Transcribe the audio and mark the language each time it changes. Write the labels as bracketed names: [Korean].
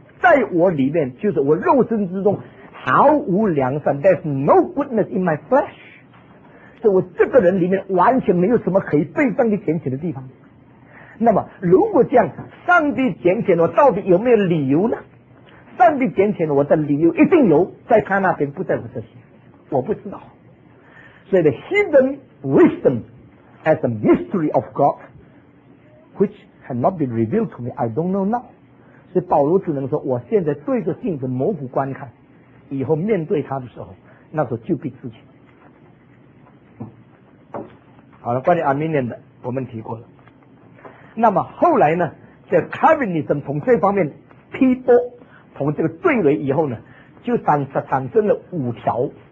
[Chinese] 在我里面，就是我肉身之中毫无良善 ， there's no goodness in my flesh。所以我这个人里面完全没有什么可以被上帝拣选的地方。那么如果这样，上帝拣选我到底有没有理由呢？上帝拣选我的理由一定有，在他那边，不在我这些，我不知道。 [English] 所以 the hidden wisdom as a mystery of God which had not been revealed to me, I don't know now。 [Chinese] 所以保罗只能说，我现在对着镜子模糊观看，以后面对他的时候，那时候就必自己。好了，关于 Arminian 的我们提过了。那么后来呢，这 Calvinism 从这方面批驳，从这个对垒以后呢，就产生了五条。